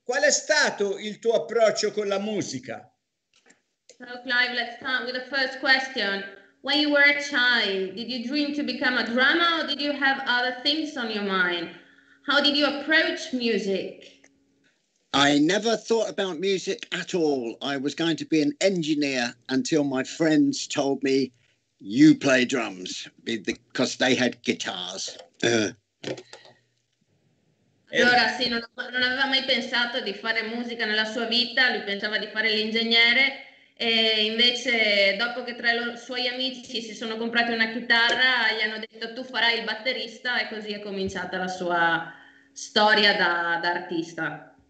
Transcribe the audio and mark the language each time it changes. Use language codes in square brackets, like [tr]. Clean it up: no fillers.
[it] Qual è stato il tuo approccio con la musica? [en] So Clive, let's start with the first question. When you were a child, did you dream to become a drummer or did you have other things on your mind? How did you approach music? I never thought about music at all. I was going to be an engineer until my friends told me, you play drums, because they had guitars. [it] Allora, sì, non aveva mai pensato di fare musica nella sua vita, lui pensava di fare l'ingegnere, e invece dopo che tra i suoi amici si sono comprati una chitarra, gli hanno detto, tu farai il batterista, e così è cominciata la sua storia da artista.